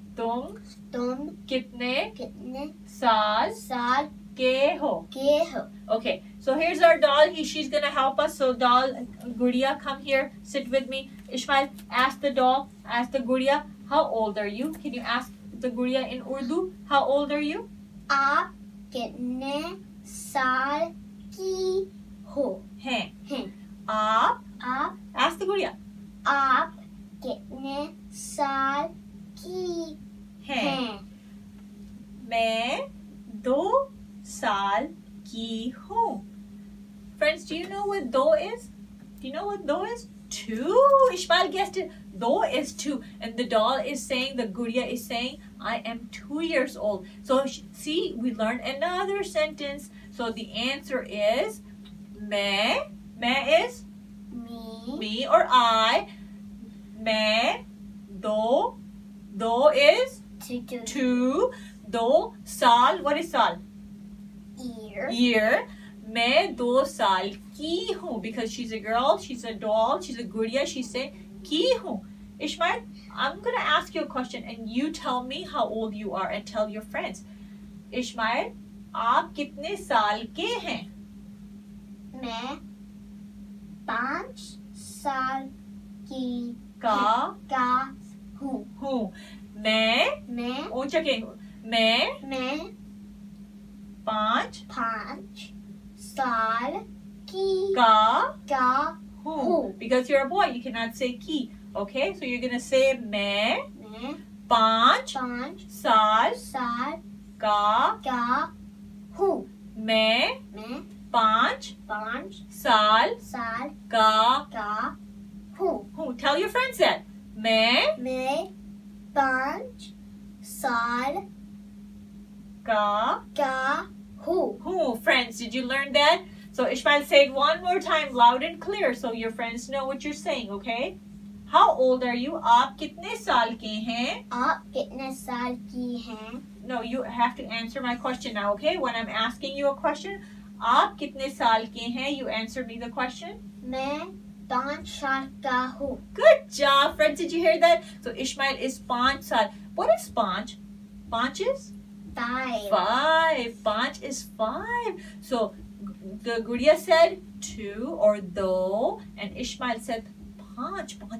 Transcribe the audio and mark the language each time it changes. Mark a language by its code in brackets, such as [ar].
[hi] तुम कितने साल के हो? [en] Okay. So here's our doll. She's gonna help us. So doll, Gudiya, come here. Sit with me. Ishmael, ask the doll. Ask the Gudiya. How old are you? Can you ask the Gudiya in Urdu? How old are you? [hi] आप कितने साल की हो? हैं. आप. [en] Ask the Gudiya. [hi] आप कितने साल की हैं? मैं 2 साल की हूँ. [en] Friends, do you know what do is? Do you know what do is? 2. Ishmael guessed it. Do is 2. And the doll is saying, the Gudiya is saying, I am 2 years old. So see, we learned another sentence. So the answer is, Mein is? Me. Me or I. Mein, do is? 2. Do, sal, what is sal? Year. [hi] मैं 2 साल की हूँ. [en] Because she's a girl, she's a doll, she's a gudiya, she said [hi] की हूँ. [en] Ishmael, I'm gonna ask you a question and you tell me how old you are and tell your friends. [hi] Ishmael, आप कितने साल के हैं? मैं 5 साल की हूँ. मैं पांच साल की का हूँ. [en] Because you're a boy, you cannot say की. Okay, so you're gonna say [hi] मैं पांच साल का हूँ. मैं पांच साल का हूँ. [en] Tell your friends that. [hi] मैं पांच साल का [en] Who? Friends, did you learn that? So Ishmael, say it one more time loud and clear so your friends know what you're saying, okay? How old are you? [hi] आप कितने साल के हैं? आप कितने साल की हैं? [en] No, you have to answer my question now, okay? When I'm asking you a question, [hi] आप कितने साल के हैं? [en] You answer me the question. [hi] मैं 5 साल का हूँ. [en] Good job, friends. Did you hear that? So Ishmael is 5 साल. What is 5? 5 is? 5 So the Gudiya said 2 or do, and Ishmael said 5.